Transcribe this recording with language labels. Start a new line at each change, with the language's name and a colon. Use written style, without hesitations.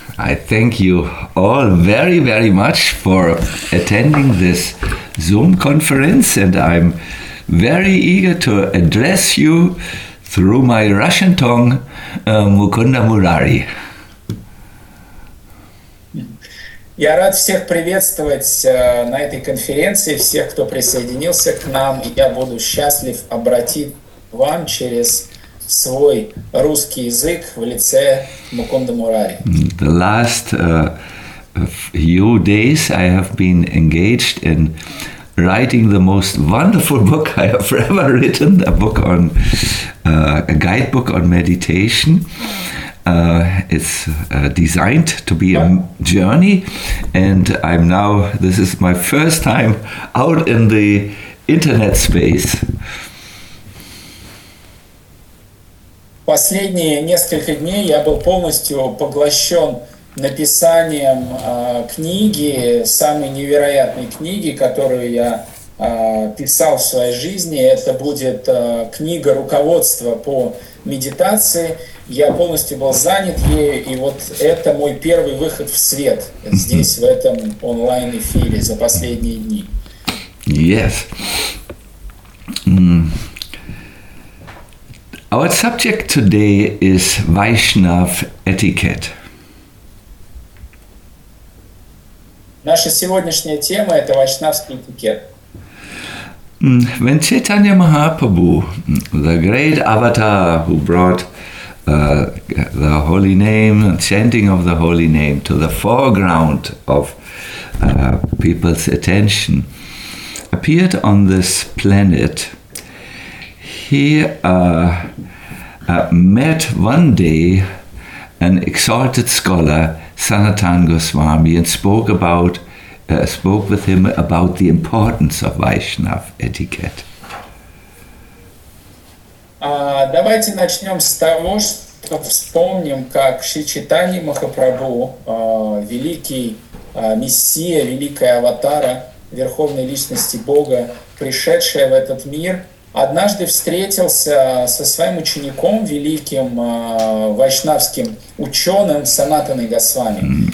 English: I thank you all very, very much for attending this Zoom conference, and I'm very eager to address you through my Russian tongue, Mukunda Murari.
Russian: Я рад всех приветствовать на этой конференции, всех, кто присоединился к нам. Я буду счастлив обратить вам через свой русский язык в лице Мукунда Мурари.
English: The last few days I have been engaged in writing the most wonderful book I have ever written, a book on a guidebook on meditation. It's designed to be a journey, and I'm now, this is my first time out in the internet space.
Russian: Последние несколько дней я был полностью поглощен написанием книги, самой невероятной книги, которую я писал в своей жизни. Это будет книга руководства по медитации. Я полностью был занят ею, и вот это мой первый выход в свет здесь, в этом онлайн-эфире за последние дни.
English: Yes. Our subject today is Vaishnav etiquette.
Russian: Наша сегодняшняя тема – это вайшнавский этикет.
English: When Chaitanya Mahaprabhu, the great avatar who brought the holy name, chanting of the holy name to the foreground of people's attention, appeared on this planet, he met one day an exalted scholar, Sanatan Goswami, and spoke with him about the importance of Vaishnav etiquette.
Russian: Давайте начнем с того, что вспомним, как Шри Чайтанья Махапрабху, великий мессия, великая аватара, верховной личности Бога, пришедшая в этот мир, однажды встретился со своим учеником, великим вайшнавским ученым Санатаной Госвами.